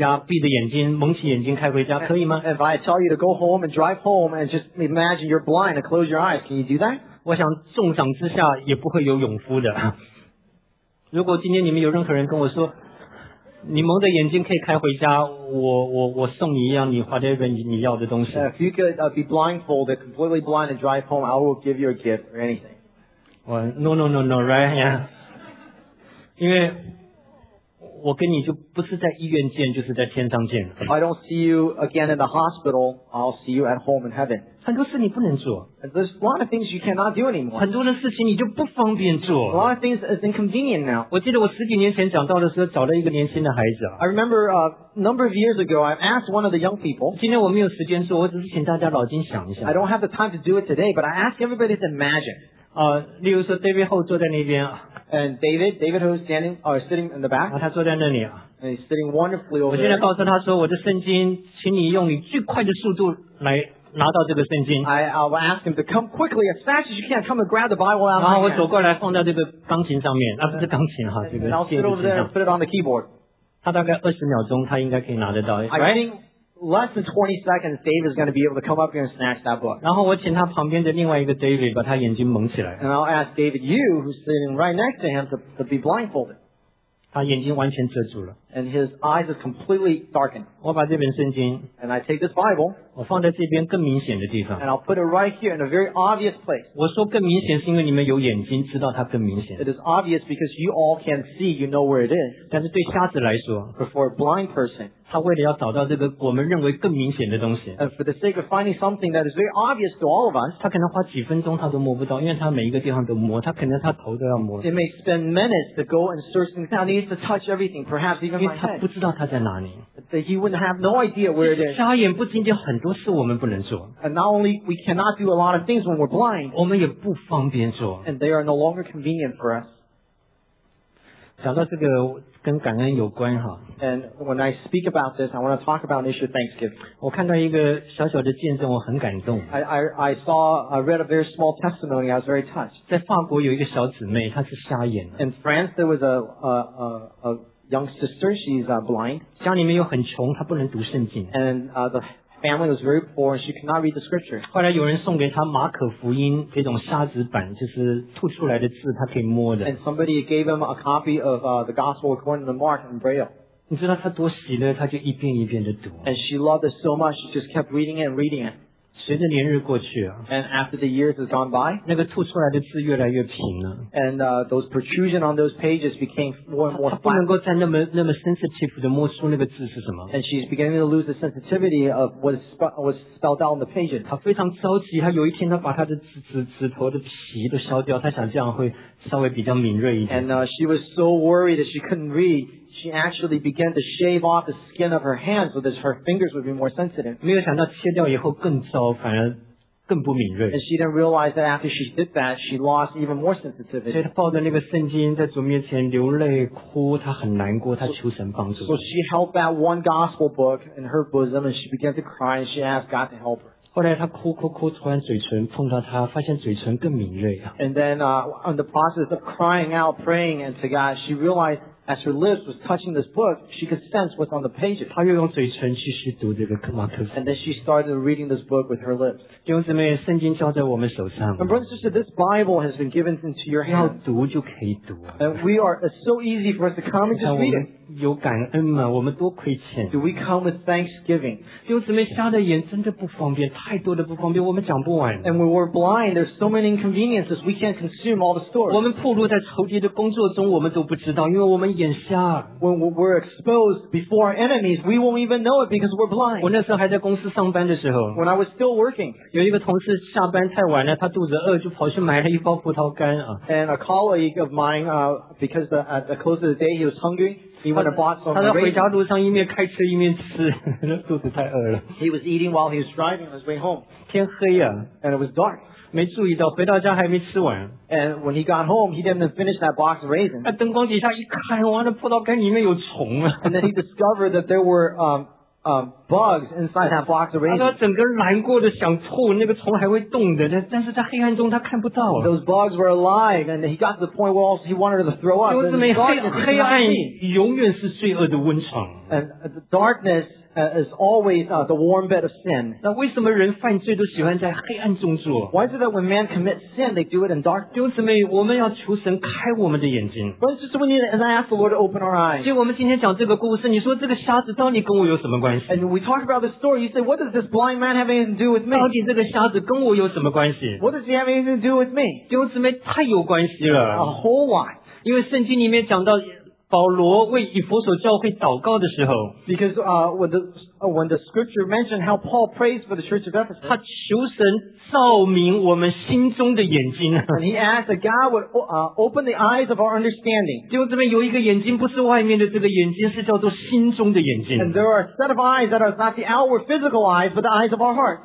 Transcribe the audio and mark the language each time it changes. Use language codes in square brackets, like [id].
[zh] 例如说我要你现在出去开车回家，闭着眼睛，蒙起眼睛开回家，可以吗？ [en] If I tell you to go home and drive home and just imagine you're blind and close your eyes, can you do that? [zh] 我想重赏之下也不会有勇夫的。如果今天你们有任何人跟我说，你蒙着眼睛可以开回家，我送你一样你花的你要的东西。 [en] If you could be blindfolded, completely blind and drive home, I will give you a gift or anything. No, right? Yeah. [zh] 因为我跟你就不是在医院见，就是在天上见。 [en] I don't see you again in the hospital. I'll see you at home in heaven. [zh] 很多事你不能做。 [en] There's a lot of things you cannot do anymore. [zh] 很多的事情你就不方便做。 [en] A lot of things is inconvenient now. [zh] 我记得我十几年前讲到的时候，找了一个年轻的孩子。 [en] I remember a number of years ago, I asked one of the young people. [zh] 今天我没有时间做，我只是请大家脑筋想一下。 [en] I don't have the time to do it today, but I ask everybody to imagine. [zh] 例如说 David Ho 坐在那边。 [en] And David Ho is standing, sitting in the back. [zh] 他坐在那里啊。 [en] And he's sitting wonderfully over there. [zh] 我现在告诉他说，我的圣经，请你用你最快的速度来拿到这个圣经。 [en] I will ask him to come quickly as fast as you can, come and grab the Bible out of my hand. [zh] 然后我走过来放在这个钢琴上面，不是钢琴哈，这个键盘上。 [en] And I'll sit over there and put it on the keyboard. [zh] 他大概二十秒钟，他应该可以拿得到。 [en] I think less than 20 seconds, Dave is going to be able to come up here and snatch that book. [zh] 然后我请他旁边的另外一个 David 把他眼睛蒙起来。 [en] And I'll ask David, you, who's sitting right next to him, to be blindfolded. [zh] 他眼睛完全遮住了。 [en] And his eyes are completely darkened. [zh] 我把这本圣经。 [en] And I take this Bible. [zh] 我放在这边更明显的地方。 [en] And I'll put it right here in a very obvious place. [zh] 我说更明显是因为你们有眼睛知道它更明显。 [en] It is obvious because you all can see, you know where it is. [zh] 但是对瞎子来说。 [en] But for a blind person, [zh] 他为了要找到这个我们认为更明显的东西 [en] and for the sake of finding something that is very obvious to all of us [zh] 他可能花几分钟他都摸不到因为他每一个地方都摸他可能他头都要摸 [en] he may spend minutes to go and search things out he needs to touch everything perhaps even my head [zh] 因为他不知道他在哪里 [en] that he wouldn't have no idea where it is [zh] 瞎眼不仅仅很多事我们不能做 [en] and not only we cannot do a lot of things when we're blind [zh] 我们也不方便做 [en] and they are no longer convenient for us [zh] 讲到这个跟感恩有关哈。 [en] And when I speak about this, I want to talk about the issue of Thanksgiving. [zh] 我看到一个小小的见证，我很感动。 [en] I read a very small testimony. I was very touched. [zh] 在法国有一个小姊妹，她是瞎眼。 [en] In France, there was a young sister. She's blind. [zh] 家里面又很穷，她不能读圣经。 [en] And the family was very poor. She could not read the scripture. [zh] 后来有人送给她马可福音这种瞎子版，就是吐出来的字，她可以摸的。 [en] And somebody gave him a copy of the Gospel according to Mark in Braille. [zh] 你知道他多喜乐，他就一遍一遍的读。 [en] And she loved it so much, she just kept reading it and reading it. [zh] 随着年日过去啊。 [en] And after the years has gone by, [zh] 那个吐出来的字越来越平了。 [en] And those protrusion on those pages became more and more flat. [zh] 他不能够再那么 sensitive 的摸出那个字是什么。 [en] And she's beginning to lose the sensitivity of what's spelled out on the pages. [zh] 他非常着急，他有一天他把他的指头的皮都削掉，他想这样会稍微比较敏锐一点。 [en] And she was so worried that she couldn't read. She actually began to shave off the skin of her hands so that her fingers would be more sensitive. [zh] 没有想到切掉以后更糟，反而更不敏锐。 [en] And she didn't realize that after she did that, she lost even more sensitivity. [zh] 所以她抱着那个圣经在主面前流泪哭，她很难过，她求神帮助。 [en] So she held that one gospel book in her bosom and she began to cry and she asked God to help her. [zh] 后来他哭哭哭，突然嘴唇碰到他，发现嘴唇更敏锐啊。 [en] And then, in the process of crying out, praying and to God, she realized as her lips was touching this book, she could sense what's on the pages. [zh] 她又用嘴唇继续读这个马可福音。 [en] And then she started reading this book with her lips. [zh] 弟兄姊妹，圣经交在我们手上。 [en] And brothers and sisters, this Bible has been given into your hands. [zh] 要读就可以读。 [en] And we are it's so easy for us to come and just read it. [zh] 有感恩吗？我们多亏欠。 [en] Do we come with thanksgiving? [zh] 弟兄姊妹，瞎的眼真的不方便，太多的不方便，我们讲不完。 [en] And we were blind. There's so many inconveniences. We can't consume all the stories. [zh] 我们暴露在仇敌的工作中，我们都不知道，因为我们眼瞎。 [en] When we're exposed before our enemies, we won't even know it because we're blind. [zh] 我那时候还在公司上班的时候。 [en] When I was still working. [zh] 有一个同事下班太晚了，他肚子饿，就跑去买了一包葡萄干啊。 [en] And a colleague of mine, because at the close of the day, he was hungry. He went and bought some raisins. [zh] 他在回家路上一面开车一面吃，肚子太饿了。 [en] He was eating while he was driving on his way home. [zh] 天黑啊。 [en] And it was dark. [zh] 没注意到，回到家还没吃完。 [en] And when he got home, he didn't finish that box of raisins. [zh] 在灯光底下一看，完了，葡萄干里面有虫啊。 [en] And then he discovered that there were bugs inside that box of raisins. [zh] 他整个难过的想吐，那个虫还会动的，但是在黑暗中他看不到。 [en] Those bugs were alive, and he got to the point where he wanted to throw up. [zh] 黑暗永远是罪恶的温床。 [en] And the darkness is always the warm bed of sin. [zh] 那为什么人犯罪都喜欢在黑暗中做 [en] ？Why is it that when man commits sin, they do it in dark? [zh] 弟兄姊妹，我们要求神开我们的眼睛。 [en] But it's just we need, and I ask the Lord to open our eyes. [zh] 所以我们今天讲这个故事，你说这个瞎子到底跟我有什么关系 [en] ？And we talk about the story. You say, what does this blind man have anything to do with me? [zh] 到底这个瞎子跟我有什么关系 [en] ？What does he have anything to do with me? [zh] 弟兄姊妹，太有关系了。 [en] A whole lot. [zh] 因为圣经里面讲到保罗为以弗所教会祷告的时候 [en] because when the scripture mentioned how Paul prays for the church of Ephesus [zh] 他求神照明我们心中的眼睛 [en] and he asked that God would open the eyes of our understanding [zh] 就这边有一个眼睛不是外面的这个眼睛是叫做心中的眼睛 [en] and there are a set of eyes that are not the outward physical eyes but the eyes of our heart